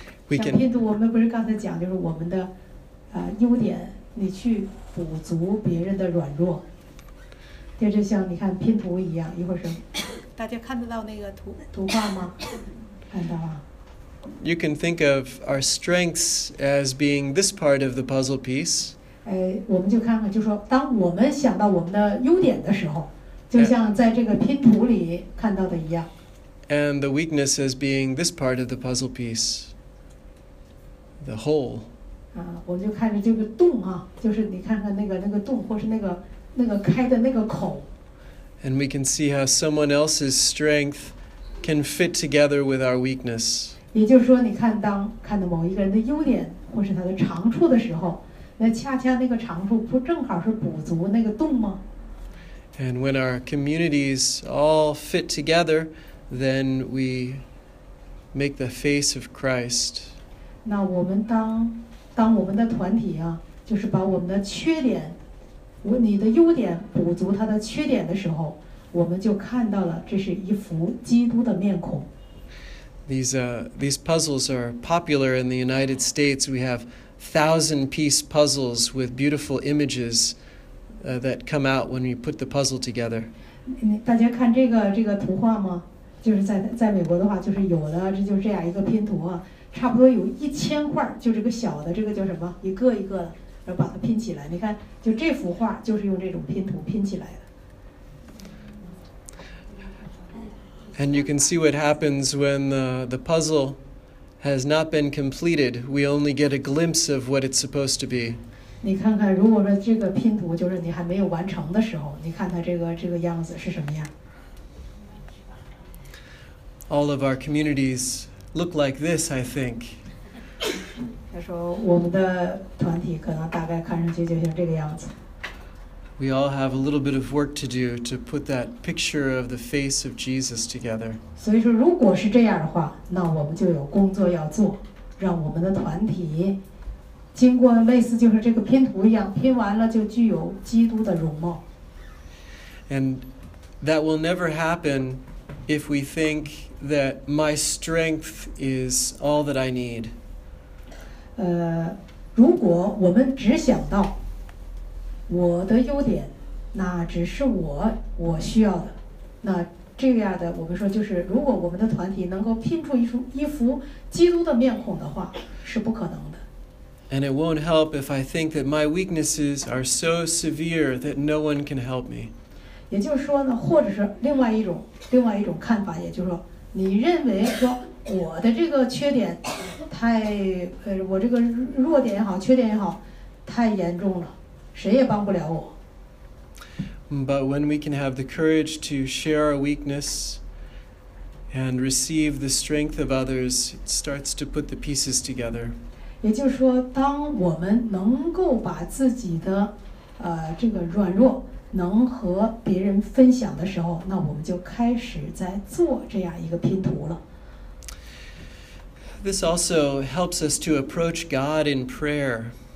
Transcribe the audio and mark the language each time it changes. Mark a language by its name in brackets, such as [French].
[Chinese] 像拼图，我们不是刚才讲，就是我们的优点，你去补足别人的软弱。这就像你看拼图一样，一会儿是。大家看得到那个图画吗？看到啊。 [English] You can think of our strengths as being this part of the puzzle piece. [Chinese] 我们就看看，就说当我们想到我们的优点的时候，就像在这个拼图里看到的一样。 [English] And the weakness as being this part of the puzzle piece, the hole. [Chinese] 我们就看着这个洞啊，就是你看看那个洞，或是那个开的那个口。 [English] And we can see how someone else's strength can fit together with our weakness. [Chinese] 也就是说，你看到某一个人的优点或是他的长处的时候。那恰恰那个长处不正好是补足那个洞吗？ [English] And when our communities all fit together, then we make the face of Christ. [Chinese] 那我们当我们的团体啊，就是把我们的缺点，你的优点补足他的缺点的时候，我们就看到了这是一幅基督的面孔。 [English] These puzzles are popular in the United States. We have 1,000-piece puzzles with beautiful images that come out when you put the puzzle together. [Chinese] 大家看这个图画吗？就是在美国的话，就是有的这就是这样一个拼图啊，差不多有1000块，就这个小的这个叫什么？一个一个的，然后把它拼起来。你看，就这幅画就是用这种拼图拼起来的。 [English] And you can see what happens when the puzzle has not been completed. We only get a glimpse of what it's supposed to be. [Chinese] 你看看，如果说这个拼图就是你还没有完成的时候，你看它这个样子是什么样？ [English] All of our communities look like this, I think. [Chinese] 他说我们的团体可能大概看上去就像这个样子。 [English] We all have a little bit of work to do to put that picture of the face of Jesus together. [Chinese] 所以说，如果是这样的话，那我们就有工作要做，让我们的团体经过类似就是这个拼图一样拼完了，就具有基督的容貌。 [English] And that will never happen if we think that my strength is all that I need. [Chinese] 如果我们只想到我的优点，那只是我需要的。那这样的，我们说就是，如果我们的团体能够拼出一幅基督的面孔的话，是不可能的。 [English] And it won't help if I think that my weaknesses are so severe that no one can help me. [Chinese] 也就是说呢，或者是另外一种看法，也就是说，你认为说我的这个缺点太我这个弱点也好，缺点也好，太严重了。谁也帮不了我。 [English] But when we can have the courage to share our weakness and receive the strength of others, it starts to put the pieces together. [Chinese] 也就是说，当我们能够把自己的这个软弱能和别人分享的时候，那我们就开始在做这样一个拼图了。 [English] This also helps us to approach God in prayer.